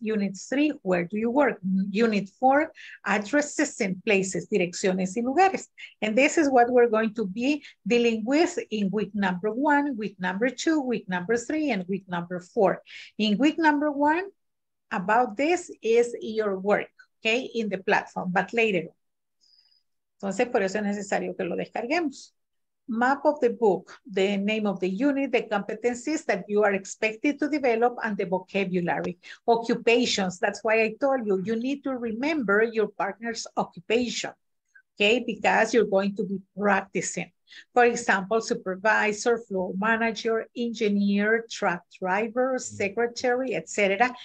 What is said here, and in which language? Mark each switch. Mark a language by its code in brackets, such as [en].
[en] Unit 3, where do you work? Unit 4, addresses and places, [es] direcciones y lugares. [en] And this is what we're going to be dealing with in week number 1, week number 2, week number 3, and week number 4. In week number 1, about this is your work, okay, in the platform, but later. [es] Entonces, por eso es necesario que lo descarguemos. [en] Map of the book, the name of the unit, the competencies that you are expected to develop, and the vocabulary. Occupations, that's why I told you, you need to remember your partner's occupation, okay? Because you're going to be practicing. For example, supervisor, floor manager, engineer, truck driver, secretary, etc.